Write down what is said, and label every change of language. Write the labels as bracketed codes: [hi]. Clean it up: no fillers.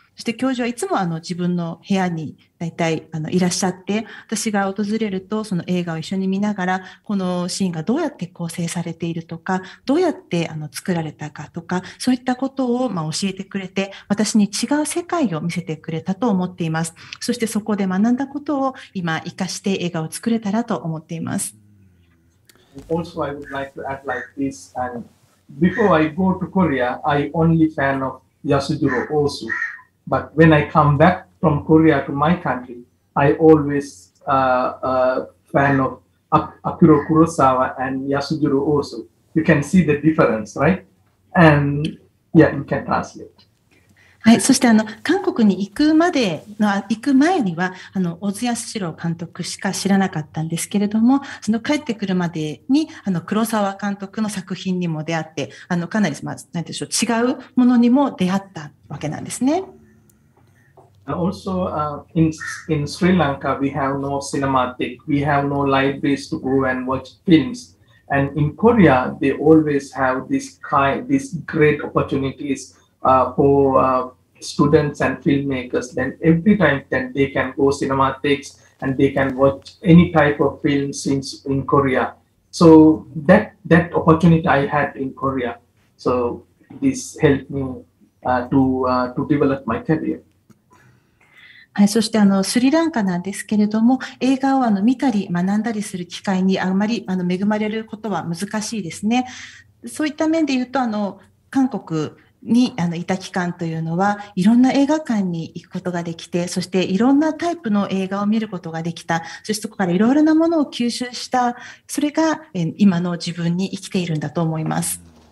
[ja] そして教授はいつも自分の部屋に大体いらっしゃって、私が訪れるとその映画を一緒に見ながら、このシーンがどうやって構成されているとか、どうやって作られたかとか、そういったことを教えてくれて、私に違う世界を見せてくれたと思っています。そしてそこで学んだことを今生かして映画を作れたらと思っています。 [en] Also I would like to add like this, and before I go to Korea, I only fan of Yasujiro also. But when I come back from Korea to my country, I always fan of Akira Kurosawa and Yasujiro Ozu. You can see the difference, right? And yeah, you can translate. [ja] はい、そして韓国に行く前には小津安二郎監督しか知らなかったんですけれども、その帰ってくるまでに黒沢監督の作品にも出会って、かなり、まあ、何でしょう、違うものにも出会ったわけなんですね。 [en] Also, in Sri Lanka, we have no cinematic, we have no libraries to go and watch films. And in Korea, they always have this great opportunities for students and filmmakers. Then every time that they can go cinematics and they can watch any type of films in Korea. So that opportunity I had in Korea. So this helped me to develop my career. [ja] はい、そしてスリランカなんですけれども、映画を見たり学んだりする機会にあまり恵まれることは難しいですね。そういった面で言うと韓国にいた期間というのはいろんな映画館に行くことができて、そしていろんなタイプの映画を見ることができた、そしてそこからいろいろなものを吸収した、それが今の自分に生きているんだと思います。